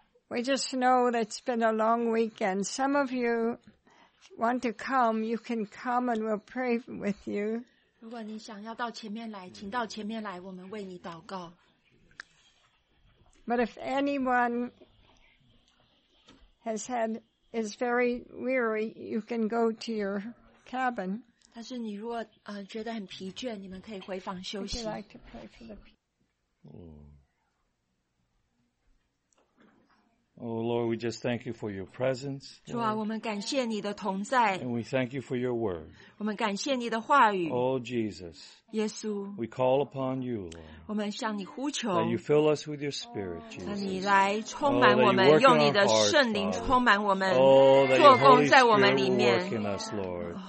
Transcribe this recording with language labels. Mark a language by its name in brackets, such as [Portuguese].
[English] We just know that it's been a long weekend. Some of you want to come, you can come and we'll pray with you. [Chinese] 如果你想要到前面来，请到前面来，我们为你祷告。 [English] But if anyone is very weary, you can go to your cabin. [Chinese] 但是你如果觉得很疲倦，你们可以回房休息。 [English] Would you like to pray for the people? Oh Lord, we just thank you for your presence. [Chinese] 主啊，我们感谢你的同在。 [English] And we thank you for your word. [Chinese] 我们感谢你的话语。 [English] Oh Jesus. [Chinese] 耶稣。 [English] We call upon you, Lord. [Chinese] 我们向你呼求。 [English] That you fill us with your spirit, Jesus. [Chinese] 让你来充满我们，用你的圣灵充满我们。 [English] Oh, that your Holy Spirit will work in us, Lord.